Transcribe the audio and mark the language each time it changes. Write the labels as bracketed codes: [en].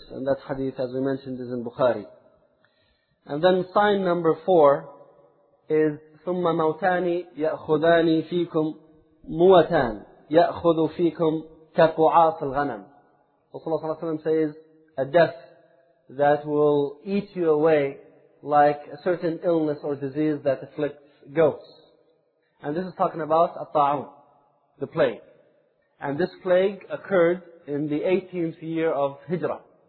[en] And that hadith, as we mentioned, is in Bukhari. And then sign number 4 is [ar] ثُمَّ مَوْتَانِ يَأْخُذَانِ فِيكُمْ مُوَتَانِ يَأْخُذُ فِيكُمْ كَقُعَاصِ الْغَنَمِ. [en] Rasulullah صلى الله عليه وسلم says, a death that will eat you away like a certain illness or disease that afflicts goats. And this is talking about At-Ta'un, the plague. And this plague occurred in the 18th year of Hijrah.